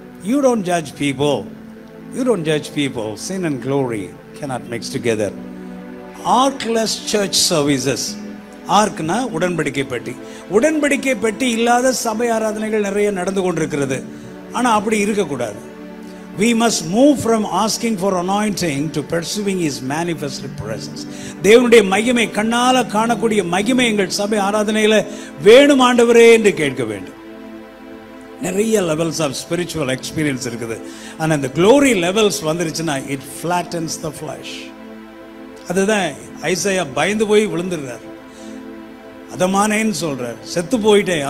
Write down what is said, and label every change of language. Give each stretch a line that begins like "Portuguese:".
English: You don't judge people, you don't judge people. Sin and glory cannot mix together.
Tamil: ஆர்க்லெஸ் search services. ஆர்க்னா உடன்படிக்கை பெட்டி. உடன்படிக்கை பெட்டி இல்லாத சபை ஆராதனைகள் நிறைய நடந்து கொண்டிருக்கிறது, ஆனால் அப்படி இருக்கக்கூடாது.
English: We must move from asking for anointing to pursuing His manifest presence.
Tamil: தேவனுடைய மகிமை கண்ணால் காணக்கூடிய மகிமை எங்கள் சபை ஆராதனையில் வேணும் ஆண்டவரே என்று கேட்க வேண்டும். நிறைய லெவல்ஸ் ஆஃப் ஸ்பிரிச்சுவல் எக்ஸ்பீரியன்ஸ் இருக்குது, ஆனால் இந்த க்ளோரி லெவல்ஸ் வந்துருச்சுன்னா
English: It flattens the flesh.
Tamil: அதுதான் ஐசையா பயந்து போய் விழுந்துடுறார், அதமானேன்னு சொல்கிறார், செத்து போயிட்டேன்.